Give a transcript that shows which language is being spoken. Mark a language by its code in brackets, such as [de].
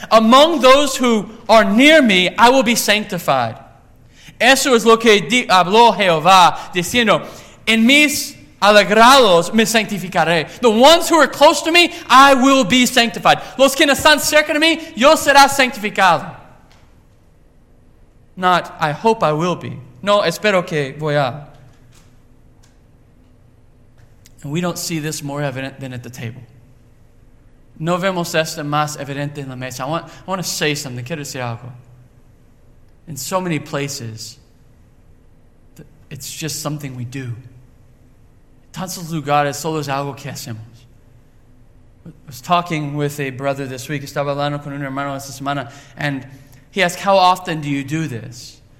[en] Among those who are near me, I will be sanctified. [es] Eso es lo que habló Jehová, diciendo, en mis alegrados me sanctificaré. [en] The ones who are close to me, I will be sanctified. [es] Los que están cerca de mí, yo será sanctificado. [en] Not, I hope I will be. [es] No, espero que voy a. [en] And we don't see this more evident than at the table. [es] No vemos esto más evidente en la mesa. [en] I want to say something. [es] Quiero decir algo. [en] In so many places, it's just something we do. [es] Tantos lugares solo es algo que hacemos. [en] I was talking with a brother this week. [es] Estaba hablando con un hermano esta semana. [en] And he asked, how often do you do this?